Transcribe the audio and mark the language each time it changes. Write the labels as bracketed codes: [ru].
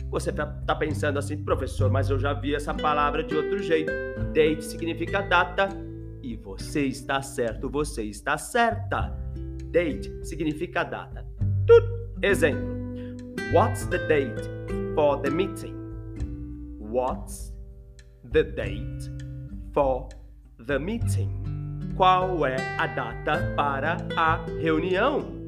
[pt] Você tá pensando assim, professor, mas eu já vi essa palavra de outro jeito. Date significa data. E você está certo, você está certa. Date significa data. Tut! Exemplo. [en] What's the date for the meeting? What's the date for the meeting? [pt] Qual é a data para a reunião?